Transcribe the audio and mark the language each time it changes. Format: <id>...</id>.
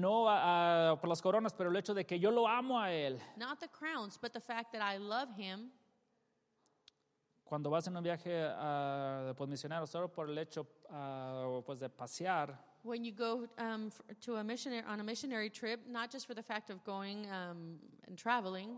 <es>No por las coronas, pero el hecho de que yo lo amo a él.</es> <en>Not the crowns, but the fact that I love him.</en> <es>Cuando vas en un viaje pues misionero, solo por el hecho pues de pasear.</es> <en>When you go to a missionary on a missionary trip, not just for the fact of going and traveling.</en>